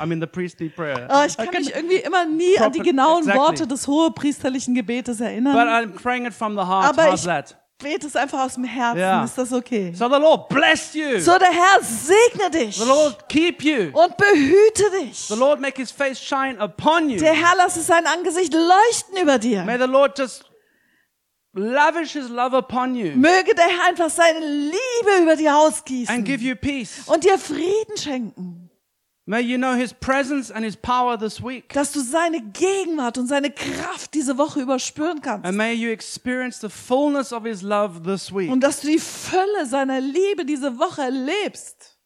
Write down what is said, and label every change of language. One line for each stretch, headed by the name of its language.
English: I mean the priestly prayer.
German: Ich kann mich irgendwie immer nie an die genauen Worte des hohepriesterlichen Gebetes erinnern.
English: But I'm praying it from the heart.
German: Aber
English: how's that?
German: Bete es einfach aus dem Herzen, yeah. Ist das okay?
English: So the Lord bless you.
German: So der Herr segne dich.
English: The Lord keep you.
German: Und behüte dich.
English: The Lord make his face shine upon you.
German: Der Herr lasse sein Angesicht leuchten über dir.
English: May the Lord just lavish his love upon you.
German: Möge der Herr einfach seine Liebe über dir ausgießen.
English: And give you peace.
German: Und dir Frieden schenken.
English: May you know his presence and his power this week.
German: Dass du seine Gegenwart und seine Kraft diese Woche überspüren kannst.
English: And may you experience the fullness of his love this week.
German: Und dass du die Fülle seiner Liebe diese Woche erlebst.